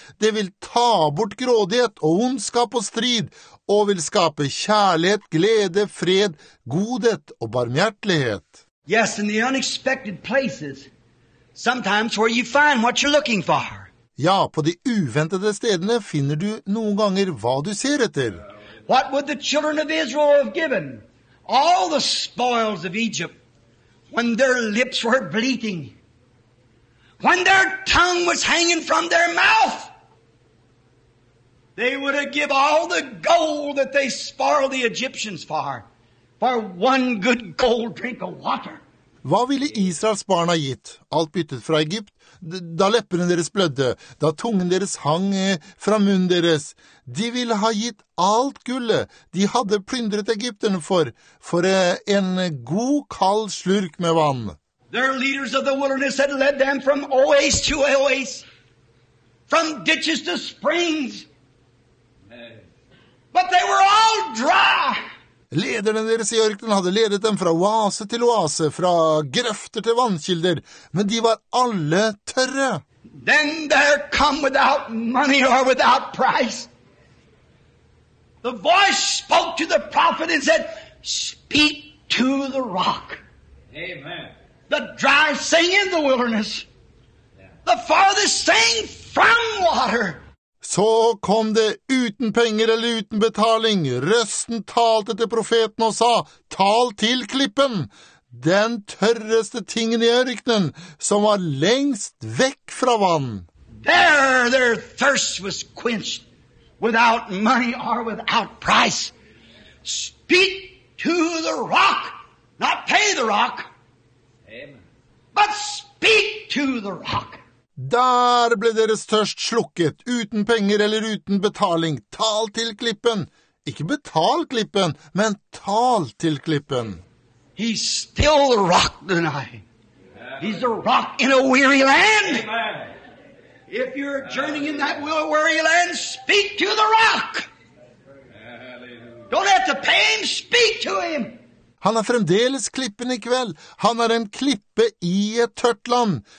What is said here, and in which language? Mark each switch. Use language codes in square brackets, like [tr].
[no] Det vil ta bort grådighet og ondskap og strid og vil skape kjærlighet, glede, fred, godhet og barmhjertighet. [en] Yes, in the unexpected places, sometimes where you find what you're looking for. [no] Ja, på de uventede stedene finner du noen ganger hva du ser etter. [en] What would the children of Israel have given? All the spoils of Egypt, when their lips were bleating, when their tongue was hanging from their mouth, they would have given all the gold that they spoiled the Egyptians for. For one good gold drink of water. [no] Hva ville Israels barn ha gitt? Alt byttet fra Egypt, da leppene deres blødde, da tungen deres hang fra munnen deres. De ville ha gitt alt gullet de hadde plyndret Egypten for en god kald slurk med vann. [en] Their leaders of the wilderness had led them from oase to oase, from ditches to springs. But they were all dry. [no] Lederne deres I ørkenen hadde ledet dem fra oase til oase, fra grøfter til vannkilder, men de var alle tørre. [en] Then there come without money or without price. The voice spoke to the prophet and said, speak to the rock. Amen. The dry thing in the wilderness. The farthest thing from water. [no] Så kom det uten penger eller uten betaling. Røsten talte til profeten og sa, tal til klippen. Den tørreste tingen I ørkenen, som var lengst vekk fra vann. [en] Their thirst was quenched without money or without price. speak to the rock, not pay the rock. Amen. But speak to the rock. [no] Der ble deres tørst slukket, uten penger eller uten betaling. Tal til klippen. Ikke betal klippen, men tal til klippen. [en] He's still the rock tonight. He's the rock in a weary land. If you're journeying in that weary land, speak to the rock. Don't have to pay him, speak to him. [no] Han fremdeles klippen I kveld. Han en klippe I et tørt land.